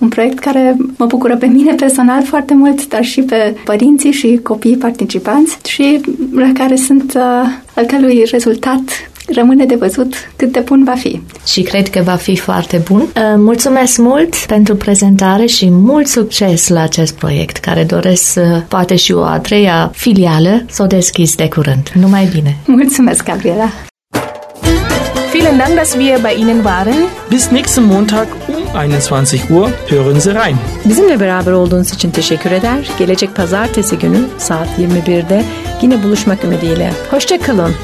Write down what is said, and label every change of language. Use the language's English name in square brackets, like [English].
[Romanian] Un proiect care mă bucură pe mine personal foarte mult, dar și pe părinții și copiii participanți și la care sunt al cărui rezultat rămâne de văzut cât de bun va fi. Și cred că va fi foarte bun. Mulțumesc mult pentru prezentare și mult succes la acest proiect, care doresc poate și o a treia filială să o deschizi de curând. Numai bine! Mulțumesc, Gabriela! [German] Vielen Dank, dass wir bei Ihnen waren. Bis nächsten Montag um 21 Uhr hören Sie rein. [Turkish] Bizimle beraber olduğunuz için teşekkür eder. Gelecek pazartesi günü saat 21'de yine buluşmak ümidiyle. Hoşça kalın.